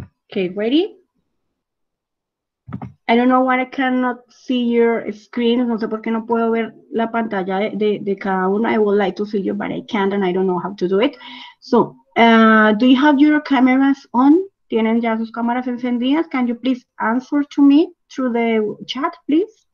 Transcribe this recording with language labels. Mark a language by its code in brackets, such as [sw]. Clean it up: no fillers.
[en] Okay, ready? I don't know why I cannot see your screen. [es] No sé por qué no puedo ver la pantalla de cada una. [en] I would like to see you, but I can't and I don't know how to do it. So, do you have your cameras on? [es] ¿Tienen ya sus cámaras encendidas? [en] Can you please answer to me through the chat, please?